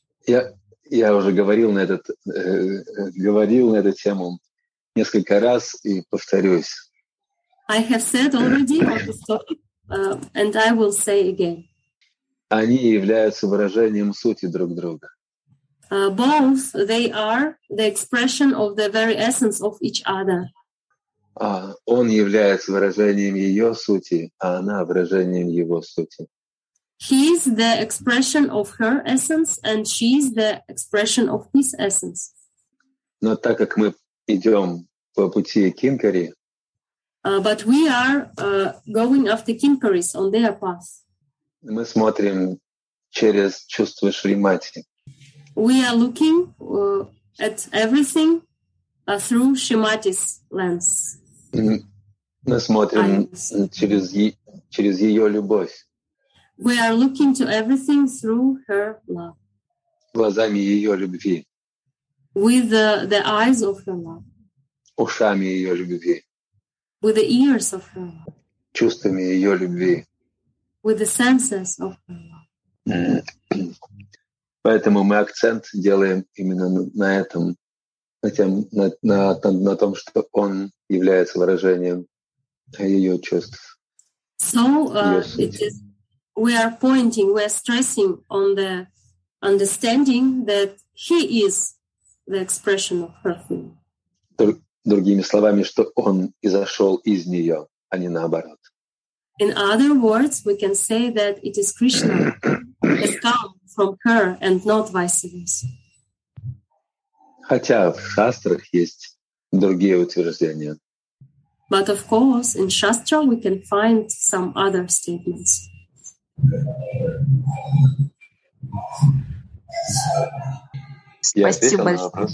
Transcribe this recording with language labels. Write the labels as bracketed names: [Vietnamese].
[Russian] Я уже говорил на этот говорил на эту тему несколько раз и повторюсь. [English] I have said already on this topic, and I will say again. [Russian] Они являются выражением сути друг друга. [English] Both they are the expression of the very essence of each other. [Russian] Он является выражением ее сути, а она выражением его сути. [English] He is the expression of her essence, and she is the expression of his essence. [Russian] Но так как мы идем по пути Кинкари. [English] But we are going after Kinkaris on their path. [Russian] Мы смотрим через чувства Шримати. [English] We are looking at everything through Shrimati's lens. [Russian] Мы смотрим через ее любовь. [English] We are looking to everything through her love. [Russian] Глазами ее любви. [English] With the eyes of her love. [Russian] Ушами ее любви. [English] with the ears of her love, [Russian] чувствами ее любви, [English] with the senses of her love. [Russian] Поэтому мы акцент делаем именно на этом, на том, что он является выражением ее чувств. [English] So it is, we are pointing, we are stressing on the understanding that he is the expression of her feeling. [Russian] Другими словами, что он изошел из нее, а не наоборот. [English] In other words, we can say that it is Krishna has come from her and not vice versa. [Russian] Хотя в шастрах есть другие утверждения. [English] But of course, in Shastra we can find some other statements. [Russian] Спасибо большое.